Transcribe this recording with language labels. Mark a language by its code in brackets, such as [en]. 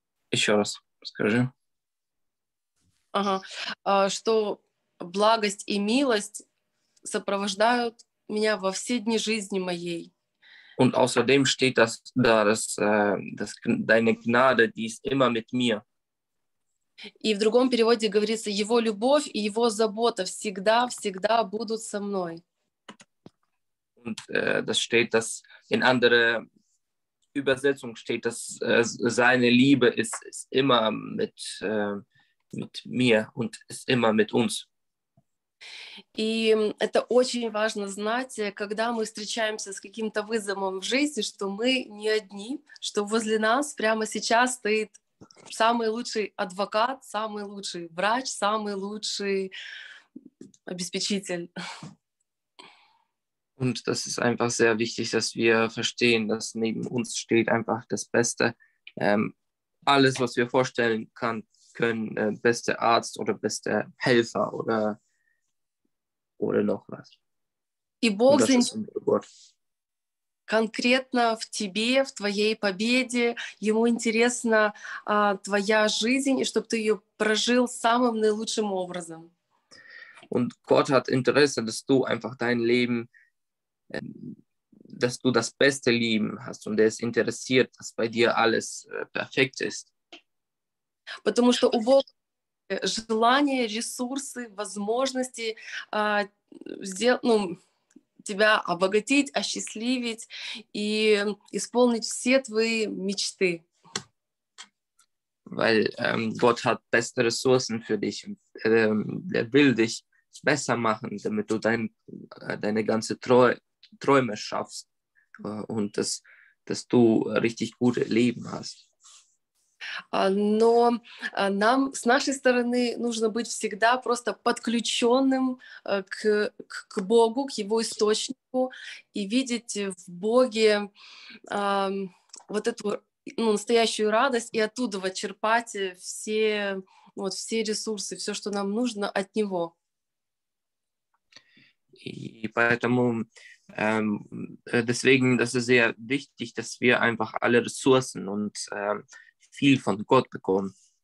[ru] Еще раз скажи. Ага. Что благость и милость сопровождают меня во все дни жизни моей. [de] Und außerdem steht das da, dass deine Gnade, die ist immer mit mir. [ru] И в другом переводе говорится: его любовь и его забота всегда, всегда будут со мной. [de] Und das steht, dass in andere Übersetzung steht, dass seine Liebe ist immer mit mir und ist immer mit uns. [ru] И это очень важно знать, когда мы встречаемся с каким-то вызовом в жизни, что мы не одни, что возле нас прямо сейчас стоит самый лучший адвокат, самый лучший врач, самый лучший обеспечитель. [de] Und das ist einfach sehr wichtig, dass wir verstehen, dass neben uns steht einfach das Beste. Alles, was wir vorstellen können, beste Arzt oder beste Helfer oder oder noch was. [ru] И Бог конкретно в тебе, в твоей победе. Ему интересна твоя жизнь, и чтобы ты ее прожил самым наилучшим образом. [de] Und Gott hat Interesse, dass du einfach dein Leben, dass du das beste Leben hast, und er ist interessiert, dass bei dir alles perfekt ist. [ru] Потому что у Бога желания, ресурсы, возможности сделать, ну, тебя обогатить, осчастливить и исполнить все твои мечты. [de] Weil Gott hat beste Ressourcen für dich. Er will dich besser machen, damit du deine ganze Träume schaffst und dass du richtig gute Leben hast. [ru] Но нам с нашей стороны нужно быть всегда просто подключенным к Богу, к Его источнику, и видеть в Боге вот эту, ну, настоящую радость и оттуда вот черпать все, вот, все ресурсы, все, что нам нужно от Него. И поэтому [de] deswegen, das ist sehr wichtig, dass wir einfach alle Ressourcen und viel von Gott bekommen.